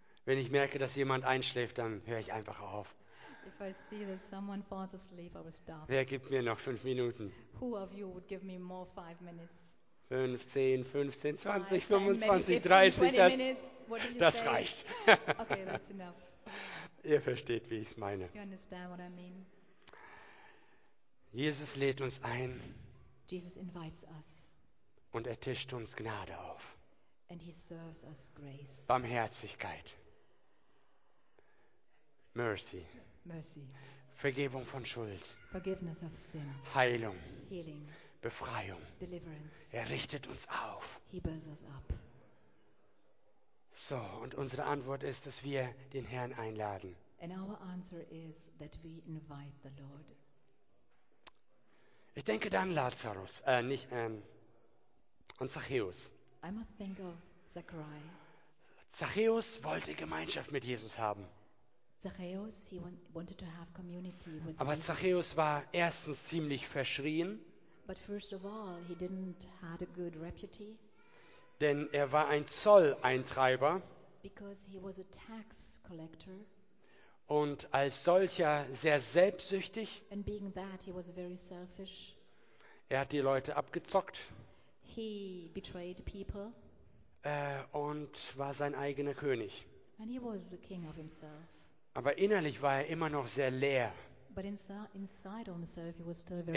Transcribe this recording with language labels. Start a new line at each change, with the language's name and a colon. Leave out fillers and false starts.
German: Wenn ich merke, dass jemand einschläft, dann höre ich einfach auf.
English: If I see that someone falls asleep, I will stop.
German: Wer gibt mir noch 5 Minuten?
English: Who of you would give me more 5 minutes?
German: 15, 15, 20, 5, 10, 25, 30. Das,
English: minutes,
German: das reicht.
English: Okay, that's enough.
German: Ihr versteht, wie ich es meine.
English: You understand what I mean?
German: Jesus lädt uns ein.
English: Jesus invites us.
German: Und er tischt uns Gnade auf.
English: And he serves us grace.
German: Barmherzigkeit.
English: Mercy. Mercy.
German: Vergebung von Schuld.
English: Forgiveness of sin.
German: Heilung.
English: Healing.
German: Befreiung.
English: Deliverance.
German: Er richtet uns auf.
English: He builds us up.
German: So, und unsere Antwort ist, dass wir den Herrn einladen.
English: And our answer is that we invite the Lord.
German: Ich denke dann Lazarus, an Zachäus.
English: I must think of Zachary.
German: Zachäus wollte Gemeinschaft mit Jesus haben.
English: Zachäus, he wanted to have community with
German: aber
English: Jesus.
German: Zachäus war erstens ziemlich verschrien.
English: But first of all, he didn't had a good reputation.
German: Denn er war ein Zolleintreiber.
English: because he was a tax collector.
German: Und als solcher sehr selbstsüchtig.
English: And being that, he was very selfish.
German: Er hat die Leute abgezockt.
English: He betrayed people.
German: Und war sein eigener König.
English: And he was the king of himself.
German: Aber innerlich war er immer noch sehr leer.
English: But inside of himself, he was still very